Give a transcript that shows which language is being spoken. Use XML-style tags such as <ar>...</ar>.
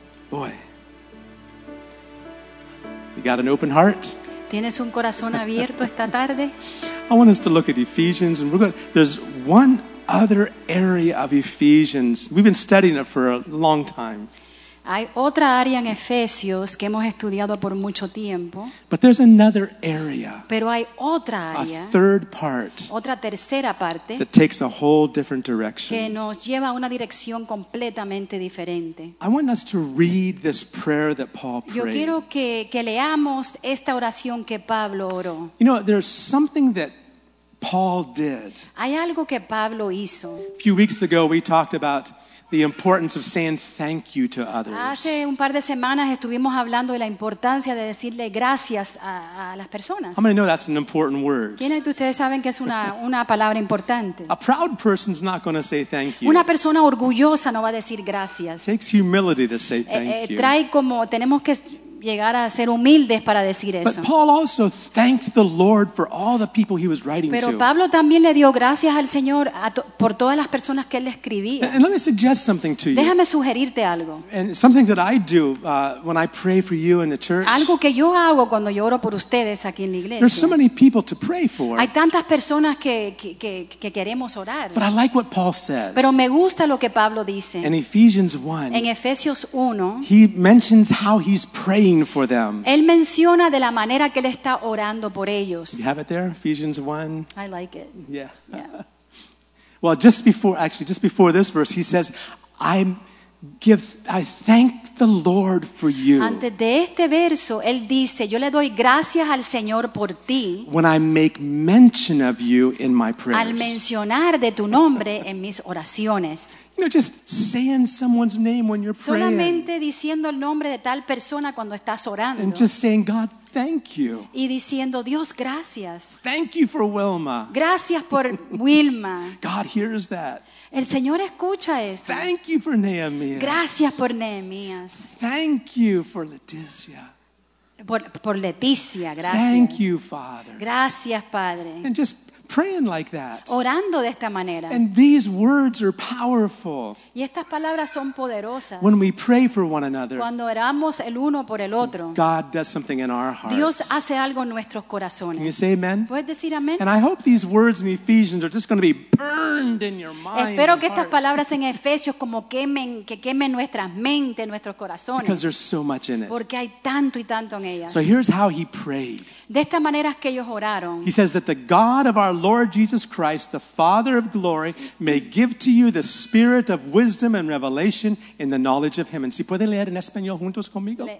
<en>Boy. You got an open heart?</en> <es>¿Tienes un corazón abierto esta tarde?</es> <en>I want us to look at Ephesians. And we're going to, there's one other area of Ephesians. We've been studying it for a long time.</en> <es>Hay otra área en Efesios que hemos estudiado por mucho tiempo.</es> <en>But there's another area.</en> <es>Pero hay otra área.</es> <en>A third part.</en> <es>Otra tercera parte.</es> <en>That takes a whole different direction.</en> <es>Que nos lleva a una dirección completamente diferente.</es> <en>I want us to read this prayer that Paul prayed.</en> <es>Yo quiero que leamos esta oración que Pablo oró.</es> <en>You know, there's something that Paul did.</en> <es>Hay algo que Pablo hizo.</es> <en>A few weeks ago, we talked about the importance of saying thank you to others.</en> <es>Hace un par de semanas estuvimos hablando de la importancia de decirle gracias a las personas.</es> <en>How many know that's an important word?</en> <es>¿Quiénes de ustedes saben que es una palabra importante?</es> <en>A proud person's not going to say thank you.</en> <es>Una persona orgullosa no va a decir gracias.</es> <en>It takes humility to say thank you.</en> <es>Trae como tenemos que llegar a ser humildes para decir eso.</es> <en>But Paul also thanked the Lord for all the people he was writing to.</en> <es>Pero Pablo también le dio gracias al Señor por todas las personas que él escribía.</es> <en>And let me suggest something to you.</en> <es>Déjame sugerirte algo.</es> <en>And something that I do when I pray for you in the church.</en> <es>Algo que yo hago cuando yo oro por ustedes aquí en la iglesia.</es> <en>There's so many people to pray for.</en> <es>Hay tantas personas que queremos orar.</es> <en>But I like what Paul says.</en> <es>Pero me gusta lo que Pablo dice.</es> <en>In Ephesians 1.</en> <es>En Efesios 1.</es> <en>He mentions how he's praying for them.</en> <es>Él menciona de la manera que él está orando por ellos.</es> <en>You have it there, Ephesians 1. I like it. Yeah. Well, just before this verse, he says, I thank the Lord for you.</en> <es>Antes de este verso, él dice, yo le doy gracias al Señor por ti.</es> <en>When I make mention of you in my prayers.</en> <es>Al mencionar de tu nombre en mis oraciones.</es> <en>You know, just saying someone's name when you're praying.</en> <es>Solamente diciendo el nombre de tal persona cuando estás orando.</es> <en>And just saying, God, thank you.</en> <es>Y diciendo, Dios, gracias.</es> <en>Thank you for Wilma.</en> <es>Gracias por Wilma.</es> <en>God hears that.</en> <es>El Señor escucha eso.</es> <en>Thank you for Nehemías.</en> <es>Gracias por Nehemías.</es> <en>Thank you for Leticia.</en> <es>Por Leticia, gracias.</es> <en>Thank you, Father.</en> <es>Gracias, Padre.</es> <en>And just praying like that.</en> <es>Orando de esta manera.</es> <en>And these words are powerful.</en> <es>Y estas palabras son poderosas.</es> <en>When we pray for one another.</en> <es>Cuando oramos el uno por el otro.</es> <en>God does something in our hearts.</en> <es>Dios hace algo en nuestros corazones.</es> <en>Can you say amen?</en> <es>¿Puedes decir amén?</es> <en>And I hope these words in Ephesians are just going to be burned in your mind.</en> <es>Espero que estas palabras en Efesios como quemen, que quemen nuestras mentes, nuestros corazones.</es> <en>Because there's so much in it.</en> <es>Porque hay tanto y tanto en ellas.</es> <en>So here's how he prayed.</en> <es>De esta manera es que ellos oraron.</es> <en>He says that the God of our Lord Jesus Christ, the Father of glory, may give to you the spirit of wisdom and revelation in the knowledge of him. And</en> <es>si puede leer en español juntos conmigo.</es>